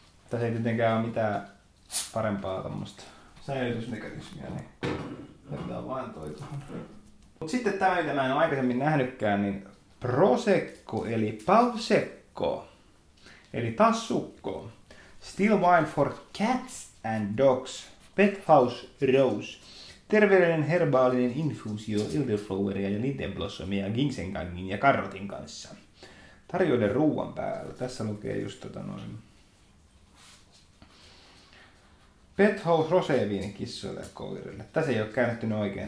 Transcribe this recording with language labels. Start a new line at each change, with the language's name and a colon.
Finnish: Tässä ei tietenkään ole mitään parempaa tommoista säilytysmekanismia. Niin. Jätetään vaan toi tuohon. Mut sitten tämä, mitä mä en ole aikaisemmin nähnytkään, niin Prosecco, eli Pausecco, eli tassukko.
English: Still wine for cats and dogs. Bedhouse Rose.
Finnish: Terveellinen herbaalinen infuusio elderflowerin ja lindenblossomia ginsengkangin ja karrotin kanssa. Tarjoiden ruuan päällä. Tässä lukee just tota noin. Bedhouse roseviini kissoille ja koirille. Tässä ei ole käännettynyt oikein.